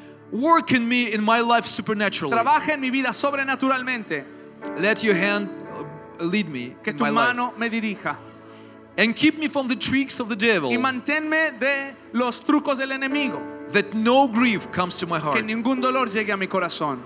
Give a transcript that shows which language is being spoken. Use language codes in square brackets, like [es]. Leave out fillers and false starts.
[en] Work in me in my life supernaturally. [es] Trabaja en mi vida sobrenaturalmente. [en] Let your hand lead me. [es] Que tu [en] in my [es] mano [en] life. [es] Me dirija. [en] And keep me from the tricks of the devil. [es] Y manténme de los trucos del enemigo. [en] That no grief comes to my heart. [es] Que ningún dolor llegue a mi corazón.